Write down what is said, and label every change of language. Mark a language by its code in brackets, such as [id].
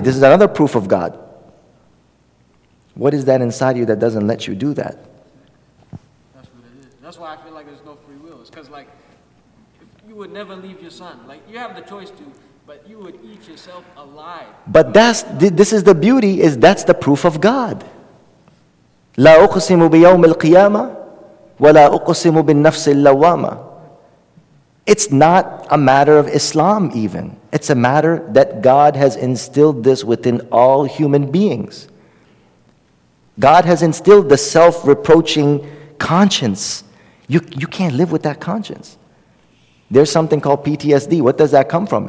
[en] This is another proof of God. What is that inside you that doesn't let you do that? That's what it is. That's why I feel like there's no free will. It's because, like, you would never leave your son. Like, you have the choice to, but you would eat yourself alive. But this is the beauty, is that's the proof of God. [ar] لا أقسم بيوم القيامة ولا أقسم بالنفس اللوامة. [en] It's not a matter of Islam even. It's a matter that God has instilled this within all human beings. God has instilled the self-reproaching conscience. You can't live with that conscience. There's something called PTSD. What does that come from?